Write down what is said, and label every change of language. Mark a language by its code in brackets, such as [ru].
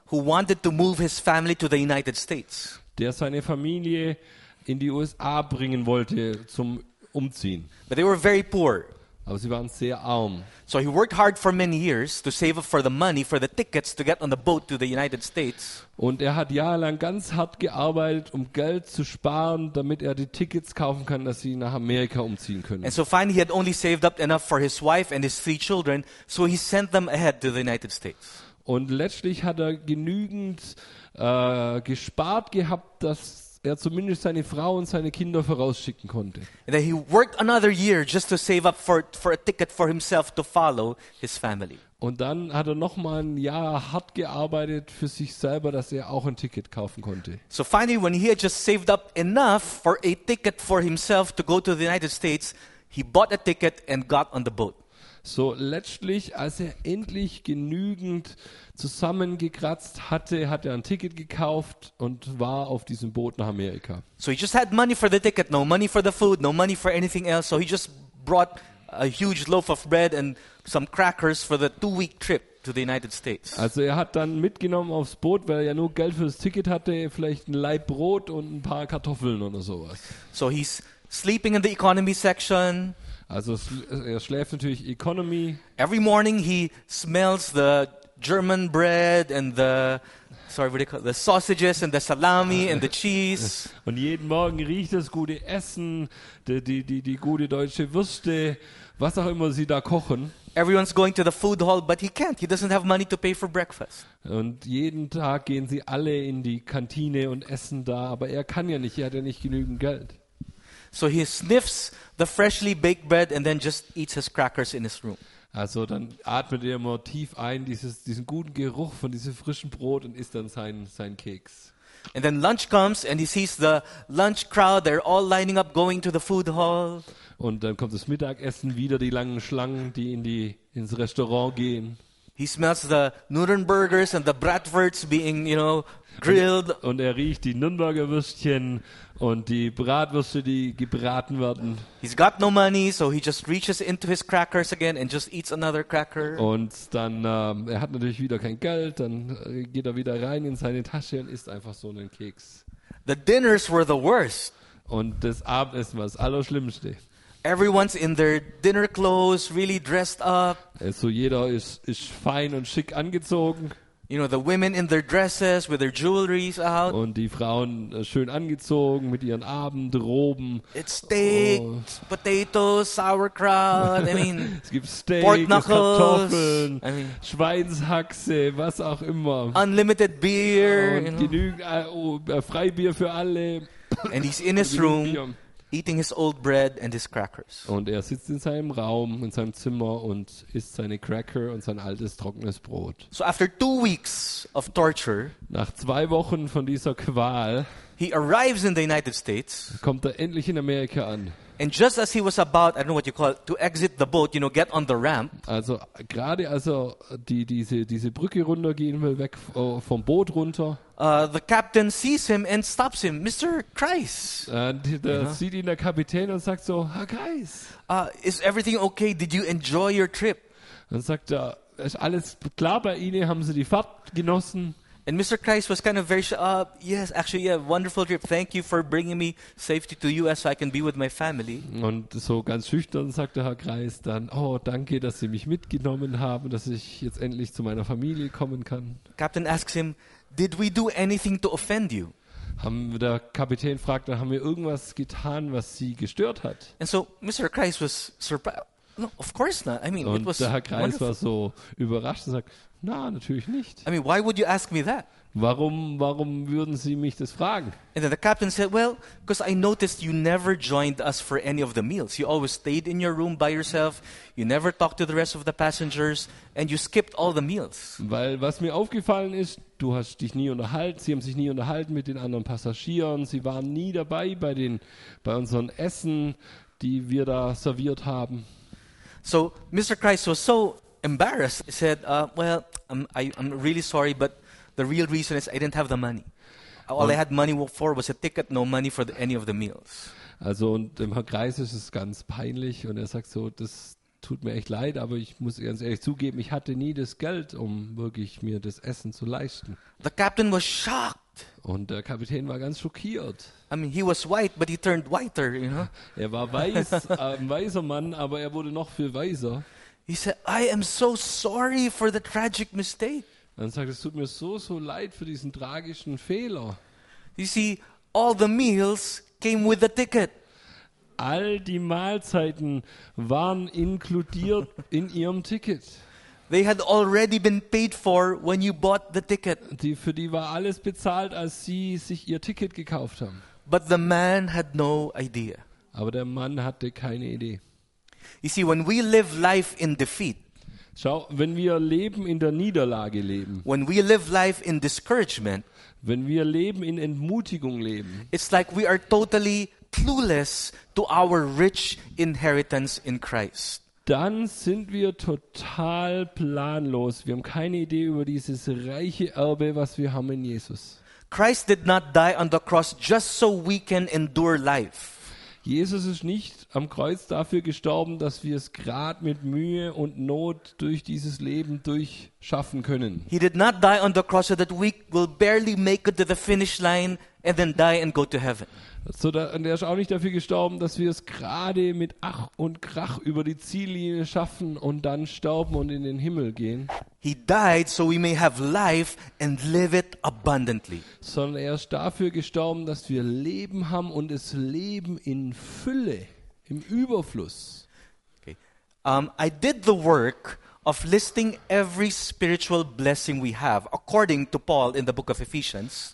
[en] Who wanted to move his family to the United States. [de] Der seine Familie in die USA bringen wollte zum Umziehen. [en] But they were very poor. [de] Aber sie waren sehr arm. [en] So he worked hard for many years to save up for the money for the tickets to get on the boat to the United States. [de] Und er hat jahrelang ganz hart gearbeitet, um Geld zu sparen, damit er die Tickets kaufen kann, dass sie nach Amerika umziehen können. [en] And so finally he had only saved up enough for his wife and his three children, so he sent them ahead to the United States. [de] Und letztlich hat er genügend gespart gehabt, dass er zumindest seine Frau und seine Kinder vorausschicken konnte. [en] And then he worked another year just to save up for a ticket for himself to follow his family. [de] Und dann hat er noch mal ein Jahr hart gearbeitet für sich selber, dass er auch ein Ticket kaufen konnte. [en] So finally when he had just saved up enough for a ticket for himself to go to the United States, he bought a ticket and got on the boat. [de] So letztlich, als er endlich genügend zusammengekratzt hatte, hat er ein Ticket gekauft und war auf diesem Boot nach Amerika. [en] So he just had money for the ticket, no money for the food, no money for anything else. So he just brought a huge loaf of bread and some crackers for the 2-week trip to the United States. [de] Also er hat dann mitgenommen aufs Boot, weil er ja nur Geld für das Ticket hatte, vielleicht ein Laib Brot und ein paar Kartoffeln oder sowas. [en] So he's sleeping in the economy section. [de] Also er schläft natürlich Economy. [en] Every morning he smells the German bread and the, sorry, what do you call it, the sausages and the salami and the cheese. [de] Und jeden Morgen riecht das gute Essen, die gute deutsche Würste, was auch immer sie da kochen. [en] Everyone's going to the food hall, but he can't. He doesn't have money to pay for breakfast. [de] Und jeden Tag gehen sie alle in die Kantine und essen da, aber er kann ja nicht, er hat ja nicht genügend Geld. [en] So he sniffs the freshly baked bread and then just eats his crackers in his room. [de] Also dann atmet er immer tief ein, diesen guten Geruch von diesem frischen Brot und isst dann seinen Keks. [en] And then lunch comes and he sees the lunch crowd, they're all lining up going to the food hall. [de] Und dann kommt das Mittagessen, wieder die langen Schlangen, die ins Restaurant gehen. [en] He smells the Nürnbergers and the Bratwurst being, you know, grilled. [de] Und er riecht die Nürnberger Würstchen und die Bratwürste, die gebraten werden. [en] He's got no money, so he just reaches into his crackers again and just eats another cracker. [de] Und dann, er hat natürlich wieder kein Geld, dann geht er wieder rein in seine Tasche und isst einfach so einen Keks. [en] The dinners were the worst. [de] Und das Abendessen war das Allerschlimmste. [en] Everyone's in their dinner clothes, really dressed up. [de] Also jeder ist fein und schick angezogen. [en] You know, the women in their dresses with their jewelries out. [de] Und die Frauen schön angezogen mit ihren Abendroben. [en] It's steak, potatoes, sauerkraut. I mean, [de] es gibt Steak, [en] pork knuckles, [de] Kartoffeln, [en] I mean, [de] Schweinshaxe, was auch immer. [en] Unlimited beer. [de] Und genügend Freibier für alle. [en] And he's in his room. Eating his old bread and his crackers. [de] Und er sitzt in seinem Raum, in seinem Zimmer und isst seine Cracker und sein altes trockenes Brot. [en] So after 2 weeks of torture, [de] nach 2 Wochen von dieser Qual, [en] he arrives in the United States. [de] Kommt er endlich in Amerika an. [en] And just as he was about, I don't know what you call it, to exit the boat, you know, get on the ramp. [de] Also gerade als er diese Brücke runtergehen will, weg vom Boot runter. [en] The captain sees him and stops him. Mr. Kreis. [de] Und da sieht ihn der Kapitän und sagt so, Herr Kreis. [en] Is everything okay? Did you enjoy your trip? [de] Dann sagt er, ist alles klar bei Ihnen? Haben Sie die Fahrt genossen? [en] And Mr. Kreis was kind of very, yes, actually, yeah, wonderful trip. Thank you for bringing me safety to the U.S. so I can be with my family. [de] Und so ganz schüchtern sagte Herr Kreis dann, oh, danke, dass Sie mich mitgenommen haben, dass ich jetzt endlich zu meiner Familie kommen kann. [en] Captain asks him, did we do anything to offend you? [de] Der Kapitän fragt dann, haben wir irgendwas getan, was Sie gestört hat? [en] And so Mr. Kreis was surprised. No, of course not. I mean, [de] und [en] it was [de] der Herr Kreis [en] wonderful. [de] War so überrascht und sagt, na, natürlich nicht. [en] I mean, why would you ask me that? [de] Warum würden Sie mich das fragen? [en] And then the captain said, well, because I noticed you never joined us for any of the meals. You always stayed in your room by yourself. You never talked to the rest of the passengers and you skipped all the meals. [de] Weil was mir aufgefallen ist, du hast dich nie unterhalten, sie haben sich nie unterhalten mit den anderen Passagieren, sie waren nie dabei bei unseren Essen, die wir da serviert haben. [en] So Mr. Christ was so embarrassed. He said, well, I'm really sorry, but the real reason is I didn't have the money. All I had money for was a ticket, no money for any of the meals. [de] Also, und dem Herr Kreis ist es ganz peinlich und er sagt so, das tut mir echt leid, aber ich muss ganz ehrlich zugeben, ich hatte nie das Geld, um wirklich mir das Essen zu leisten. [en] The captain was shocked. [de] Und der Kapitän war ganz schockiert. [en] I mean, he was white, but he turned whiter, you know? [de] Er war weiß, ein weißer Mann, aber er wurde noch viel weiser. [en] He said, I am so sorry for the tragic mistake. [de] Dann sagt, es tut mir so, so leid für diesen tragischen Fehler. [en] You see, all the meals came with the ticket. [de] All die Mahlzeiten waren inkludiert in ihrem Ticket. [en] They had already been paid for when you bought the ticket. [de] Für die war alles bezahlt, als sie sich ihr Ticket gekauft haben. [en] But the man had no idea. [de] Aber der Mann hatte keine Idee. [en] You see, when we live life in defeat, [de] schau, wenn wir Leben in der Niederlage leben, [en] when we live life in discouragement, [de] wenn wir Leben in Entmutigung leben, [en] it's like we are totally clueless to our rich inheritance in Christ. [de] Dann sind wir total planlos. Wir haben keine Idee über dieses reiche Erbe, was wir haben in Jesus. [en] Christ did not die on the cross just so we can endure life. [de] Jesus ist nicht am Kreuz dafür gestorben, dass wir es gerade mit Mühe und Not durch dieses Leben durchschaffen können. [en] He did not die on the cross so that we will barely make it to the finish line and then die and go to heaven. [de] So da, und er ist auch nicht dafür gestorben, dass wir es gerade mit Ach und Krach über die Ziellinie schaffen und dann sterben und in den Himmel gehen. [en] He died so we may have life and live it abundantly. [de] Sondern er ist dafür gestorben, dass wir Leben haben und es Leben in Fülle, im Überfluss. [en] Okay. I did the work of listing every spiritual blessing we have according to Paul in the book of Ephesians.